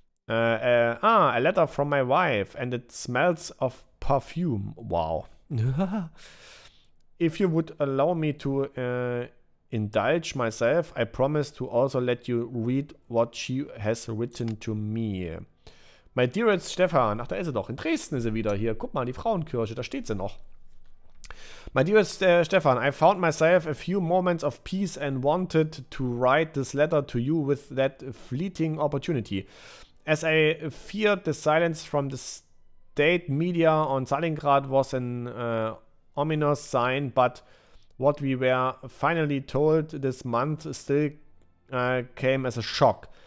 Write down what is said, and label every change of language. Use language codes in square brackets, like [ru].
[en] A letter from my wife, and it smells of perfume. Wow. If you would allow me to indulge myself, I promise to also let you read what she has written to me. My dearest Stefan, [de] ach, da ist sie doch, in Dresden ist sie wieder hier. Guck mal, die Frauenkirche, da steht sie noch. [en] My dearest Stefan, I found myself a few moments of peace and wanted to write this letter to you with that fleeting opportunity. As I feared the silence from the state media on Stalingrad was an ominous sign, but what we were finally told this month still came as a shock.